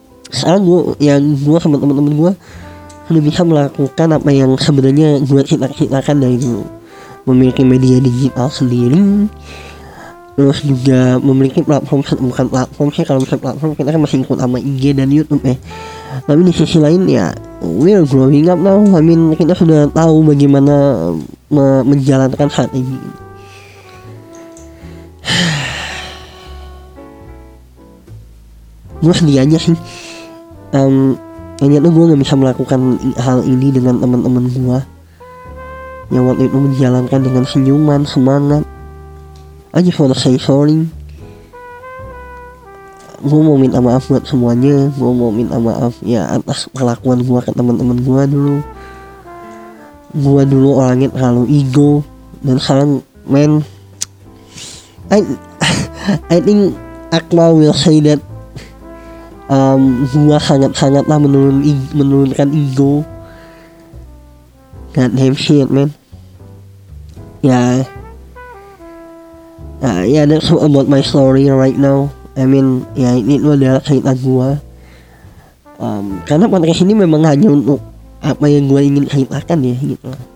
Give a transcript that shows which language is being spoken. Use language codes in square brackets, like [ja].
[id] Sekarang gue sama teman-teman gue sudah bisa melakukan apa yang sebenarnya gue cita-citakan dari dulu, memiliki media digital sendiri, terus juga memiliki platform. Bukan platform sih, kalau misalnya platform kita kan masih ikut sama IG dan YouTube ya. Tapi di sisi lain ya, [en] we're growing up now. I mean, [id] kita sudah tahu bagaimana menjalankan saat ini. Gue sedih aja sih, ternyata gue gak bisa melakukan hal ini dengan teman-teman gue yang waktu itu menjalankan dengan senyuman, semangat. [en] I just wanna say sorry. [id] Gue mau minta maaf buat semuanya. Gue mau minta maaf ya atas kelakuan gue ke teman-teman gue dulu. Gue dulu orangnya terlalu ego, dan sekarang [en] man, I think Akma will say that [id] gua sangat-sangatlah menurunkan ego. [en] God damn shit, man. Yeah, that's all about my story right now. I mean, yeah, [id] ini adalah cerita gua. Karena podcast ini memang hanya untuk apa yang gua ingin ceritakan ya, gitu.